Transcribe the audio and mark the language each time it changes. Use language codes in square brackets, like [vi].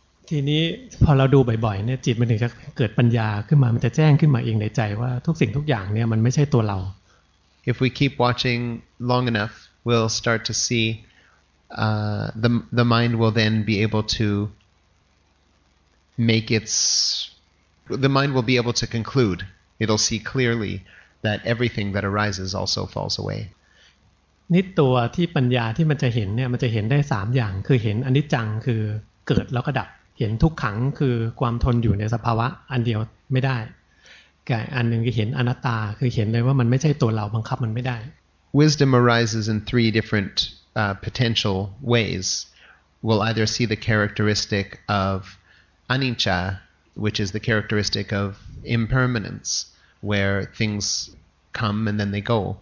[th] ทีนี้พอเราดูบ่อยๆเนี่ยจิตมันถึงจะเกิดปัญญาขึ้นมามันจะแจ้งขึ้นมาเองในใจว่าทุกสิ่งทุกอย่างเนี่ยมันไม่ใช่ตัวเรา [en] If we keep watching long enough we'll start to seeThe mind will then be able to make its the mind will be able to conclude it'll see clearly that everything that arises also falls away. [th] นี่ตัวที่ปัญญาที่มันจะเห็นเนี่ยมันจะเห็นได้3อย่างคือเห็นอนิจจังคือเกิดแล้วก็ดับเห็นทุกขังคือความทนอยู่ในสภาวะอันเดียวไม่ได้แก่อันนึงคือเห็นอนัตตาคือเห็นเลยว่ามันไม่ใช่ตัวเราบังคับมันไม่ได้ [en] Wisdom arises in 3 differentpotential ways we'll either see the characteristic of anicca which is the characteristic of impermanence where things come and then they go